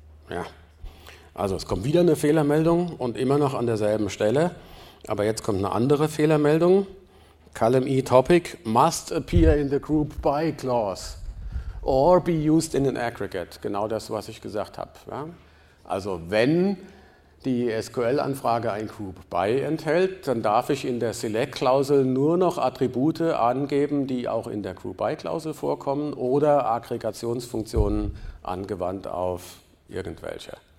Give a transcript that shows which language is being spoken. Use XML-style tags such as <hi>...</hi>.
<de>Ja, also es kommt wieder eine Fehlermeldung und immer noch an derselben Stelle. Aber jetzt kommt eine andere Fehlermeldung.</de> <en>Column E-Topic must appear in the group by clause or be used in an aggregate.</en> <de>Genau das, was ich gesagt habe. Ja? Also wenn die SQL-Anfrage ein group by enthält, dann darf ich in der select-Klausel nur noch Attribute angeben, die auch in der group by-Klausel vorkommen oder Aggregationsfunktionen angewandt auf irgendwelche.</de>